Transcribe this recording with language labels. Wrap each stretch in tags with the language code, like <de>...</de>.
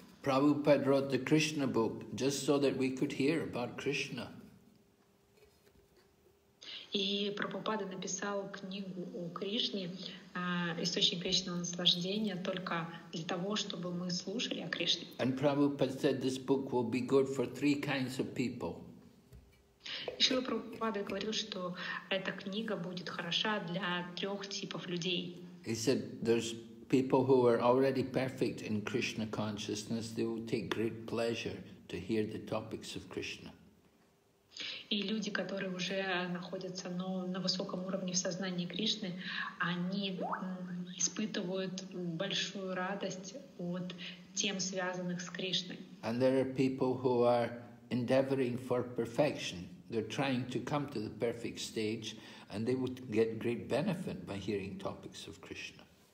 <en>Prabhupada wrote the Krishna book just so that we could hear about Krishna.</en> <ru>И Прабхупада написал книгу о Кришне, источник вечного наслаждения, только для того, чтобы мы слушали о Кришне.</ru> <en>And Prabhupada said this book will be good for three kinds of people.</en> <ru>И Шрила Прабхупада говорил, что эта книга будет хороша для трех типов людей.</ru> <en>He said there's people who are already perfect in Krishna consciousness, they will take great pleasure to hear the topics of Krishna.</en> <ru>И люди, которые уже находятся на высоком уровне в сознании Кришны, они испытывают большую радость от тем, связанных с Кришной.</ru> <en>And there are people who are endeavoring for perfection. They're trying to come to the perfect stage, and they would get great benefit by hearing topics of Krishna.</en>